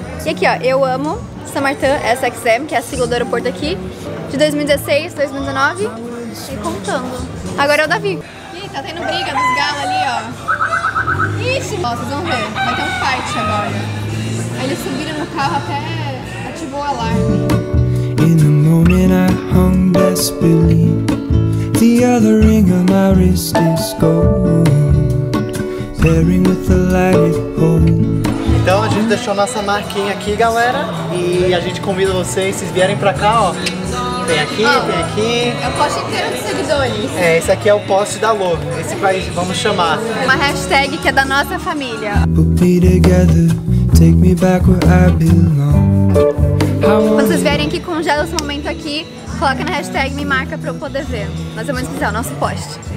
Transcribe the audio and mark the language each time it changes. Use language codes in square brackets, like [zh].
[pt] E aqui, ó, eu amo Samartan SXM, que é a sigla do aeroporto aqui, de 2016, 2019. E contando. Agora é o Davi. Ih, tá tendo briga dos galos ali, ó. Ixi, ó, vocês vão ver. Vai ter um fight agora. Eles subiram no carro até ativou o alarme. [en] In the moment I hung disbelief, the other ring of my wrist is gold, pairing with the light it holds. [pt] Então a gente deixou nossa marquinha aqui, galera. E a gente convida vocês, se vierem pra cá, ó. Tem aqui. É o poste inteiro de seguidores. É, esse aqui é o poste da Love. Esse país, vamos chamar. Uma hashtag que é da nossa família. [en] Put me together, take me back where I belong. [pt] Vocês vierem aqui, congela esse momento aqui, coloca na hashtag, me marca pra eu poder ver. Nós vamos fazer o nosso poste.